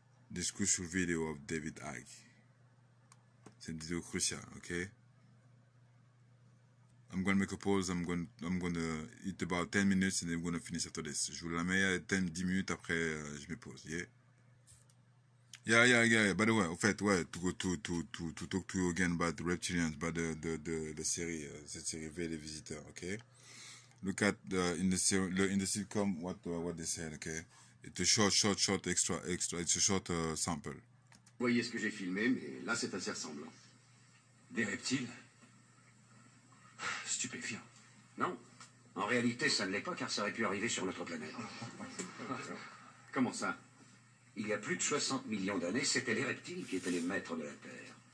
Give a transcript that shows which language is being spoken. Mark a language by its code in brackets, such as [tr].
[en] This crucial video of David Icke. [fr] C'est une vidéo cruciale, ok? [en] I'm going to make a pause. I'm going to eat about 10 minutes and then I'm going to finish after this. [fr] Je vous la mets à 10 minutes après, je me pose, yeah? [en] Yeah. By the way, [fr] en fait, ouais, [en] to talk to you again about the reptilians, about the série, [fr] cette série V, les visiteurs, [en] ok? Look at in the sitcom what they said, ok? It's a short, extra. It's a short sample. [fr] Vous voyez ce que j'ai filmé, mais là c'est assez ressemblant. Des reptiles? stupéfiant. Non, en réalité, ça ne l'est pas, car ça aurait pu arriver sur notre planète. Comment ça? Il y a plus de 60 millions d'années, c'était les reptiles qui étaient les maîtres de la Terre.